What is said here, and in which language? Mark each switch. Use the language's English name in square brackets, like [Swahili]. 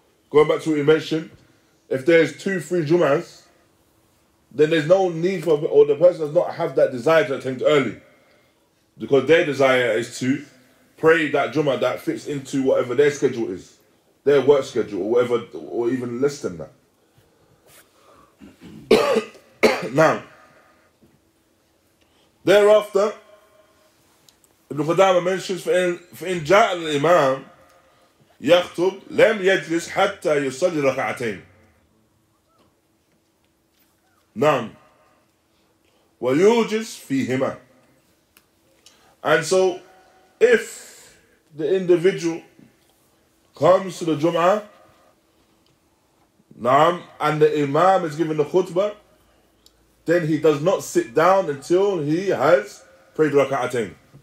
[English] Going back to what you mentioned, if there's two, three Jum'ahs, then there's no need for, or the person does not have that desire to attend early. Because their desire is to pray that Jum'ah that fits into whatever their schedule is, their work schedule, or whatever, or even less than that. Now, thereafter, Ibn Khuzayma mentions, [Arabic] فَإِنْ جَاءَ الْإِمَامِ يَخْتُبْ لَمْ يَجْلِسْ حَتَّى يُصَلِّ رَكَعَتَيْنِ نَعْمْ وَيُوجِسْ فِيهِمَا. [English] And so, if the individual comes to the Jum'ah, نَعْمْ, and the Imam is giving the khutbah, then he does not sit down until he has prayed raka'atayn.